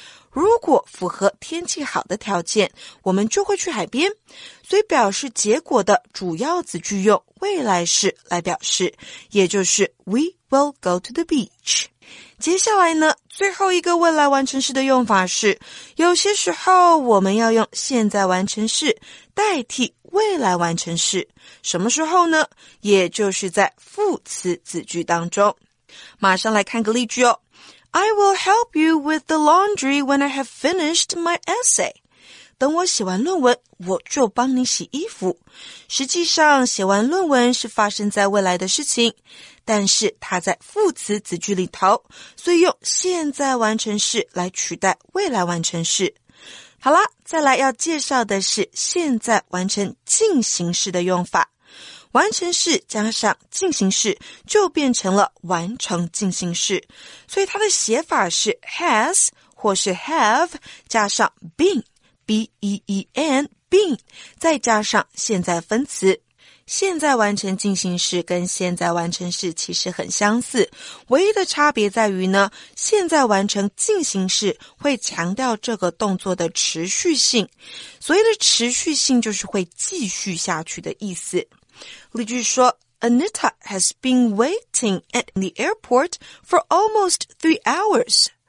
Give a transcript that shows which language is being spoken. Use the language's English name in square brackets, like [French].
[Chinese] 如果符合天气好的条件，我们就会去海边，所以表示结果的主要子句用未来式来表示，也就是 [English] we will go to the beach。 [Chinese] 接下来呢，最后一个未来完成式的用法是，有些时候我们要用现在完成式代替未来完成式，什么时候呢？也就是在副词子句当中。马上来看个例句哦。 [English] I will help you with the laundry when I have finished my essay. [Chinese] 等我写完论文，我就帮你洗衣服。实际上，写完论文是发生在未来的事情，但是它在副词子句里头，所以用现在完成式来取代未来完成式。好啦，再来要介绍的是现在完成进行式的用法。完成式加上进行式就变成了完成进行式，所以它的写法是 has 或是 have 加上 been B-E-E-N been 再加上现在分词。现在完成进行式跟现在完成式其实很相似，唯一的差别在于呢，现在完成进行式会强调这个动作的持续性，所谓的持续性就是会继续下去的意思。例句说 [English] Anita has been waiting at the airport for almost 3 hours.